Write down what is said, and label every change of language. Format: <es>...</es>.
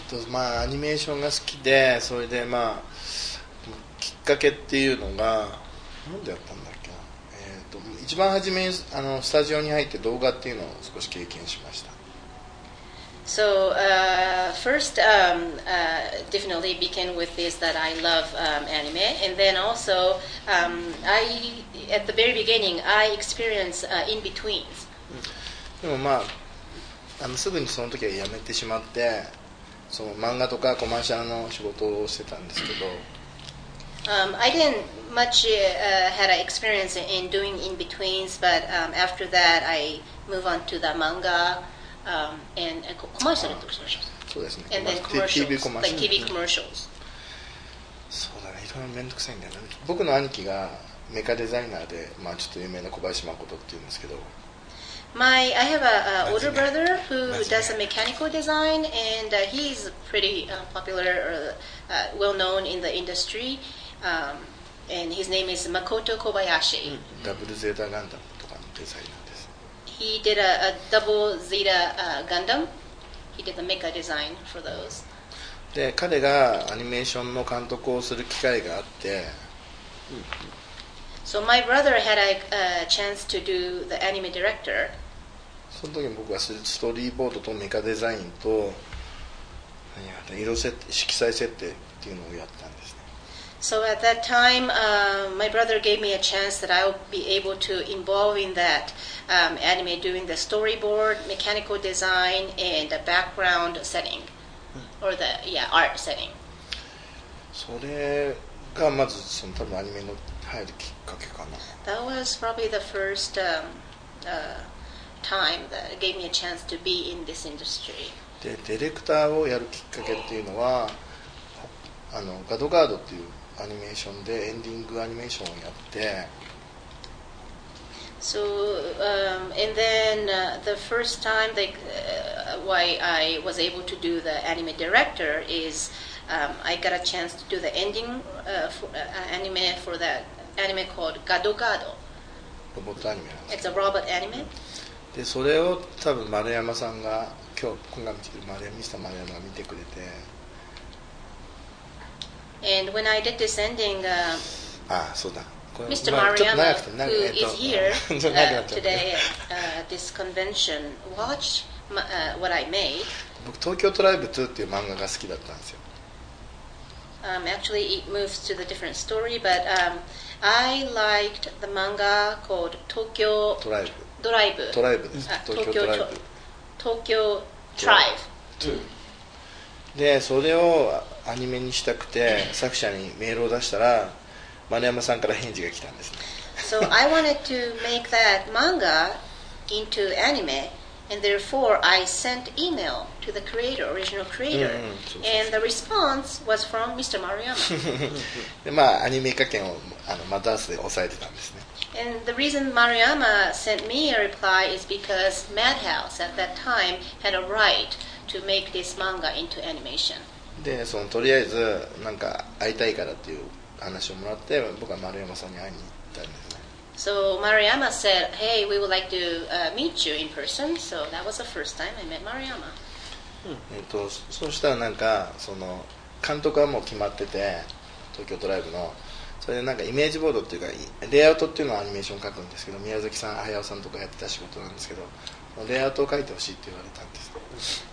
<ja>まあ、アニメーションが好きで、それで、まあ、きっかけっていうのが、なんでやったんだっけな。一番初めに、スタジオに入って動画っていうのを少し経験しました。</ja> <en>So, first, definitely begin with this, that I love anime, and then also, at the very beginning, I experience in-betweens.</en> <ja>でもまあ、すぐにその時は辞めてしまって、その漫画とかコマーシャルの仕事をしてたんですけど。</ja> <en>I didn't much had an experience in doing in-betweens, but after that, I move on to the manga. And commercials. そうですね。 TV commercials.</en> <ja>そうだね。いろいろ面倒くさいんだよね。僕の兄貴がメカデザイナーで、まあちょっと有名な小林誠って言うんですけど。</ja> <en>I have an older brother who does a mechanical design, and he's pretty popular, well known in the industry. And his name is Makoto Kobayashi.</en> <ja>Double Zeta Gundam とかのデザイナーです。</ja> <en>He did a Double Zeta Gundam. He did the mecha design for those.</en> <ja>で、彼がアニメーションの監督をする機会があって、</ja> <en>So my brother had a chance to do the anime director.</en> <ja>その時に僕はストーリーボードとメカデザインと色彩設定っていうのをやったんですね。</ja> <en>So at that time, my brother gave me a chance that I would be able to involve in that anime doing the storyboard, mechanical design, and the background setting, or the art setting.</en> <ja>それがまずその多分アニメの入るきっかけかな。</ja> <en>That was probably the first time that gave me a chance to be in this industry.</en> <ja>で、ディレクターをやるきっかけっていうのは、ガドガードっていうアニメーションでエンディングアニメーションをやって。</ja> <en>So, and then the first time that why I was able to do the anime director is I got a chance to do the ending anime for that anime called ガドガード。</en> <ja>ロボットアニメ。</ja> <en>It's a robot anime。</en> <ja>で、それを多分丸山さんが今日今が見てる丸山ミスター丸山が見てくれて。</ja> <en>And when I did this ending,</en> <ja>そうだ。</ja> <en>Mr. Maruyama, who is here today at this convention, watched what I made.</en> <ja>僕 Tokyo Tribe 2っていう漫画が好きだったんですよ。</ja> <en>Actually, it moves to the different story, but I liked the manga called Tokyo Tribe. Tribe. Tokyo Tribe. Tokyo Tribe. Two.</en> <ja>で、それをアニメにしたくて作者にメールを出したら丸山さんから返事が来たんです、ね、</ja> <en>So I wanted to make that manga into anime and therefore I sent email to the creator, original creator and the response was from Mr. Maruyama</en> <ja>で、まあアニメ化権をマダースで押さえてたんですね。</ja> <en>And the reason Maruyama sent me a reply is because Madhouse at that time had a rightto make this manga into animation.</en> <ja>で、そのとりあえずなんか会いたいからっていう話をもらって、僕は丸山さんに会いに行ったんですね。</ja> <en>So Maruyama said, "Hey, we would like to meet you in person." So that was the first time I met Maruyama.、</en> <ja>そうしたらなんかその監督はもう決まってて、東京ドライブの、それでなんかイメージボードっていうかレイアウトっていうのをアニメーション書くんですけど、宮崎さん、綾尾さんとかやってた仕事なんですけど、レイアウトを書いてほしいって言われたんです。</ja>